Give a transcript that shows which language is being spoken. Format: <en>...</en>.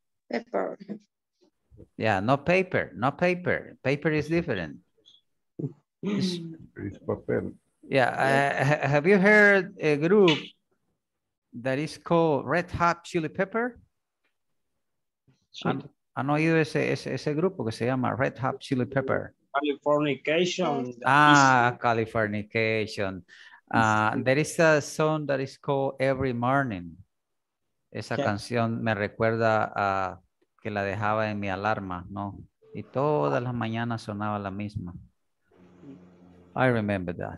<en>Pepper. Yeah, no paper. No paper. Paper is different. It's paper. Yeah. Have you heard a group that is called Red Hot Chili Pepper?</en> <es>¿Han oído ese grupo que se llama Red Hot Chili Pepper?</es> <en>Californication. Californication. There is a song that is called Every Morning.</en> <es>Esa canción me recuerda a... que la dejaba en mi alarma, ¿no? Y todas las mañanas sonaba la misma.</es> <en>I remember that.</en>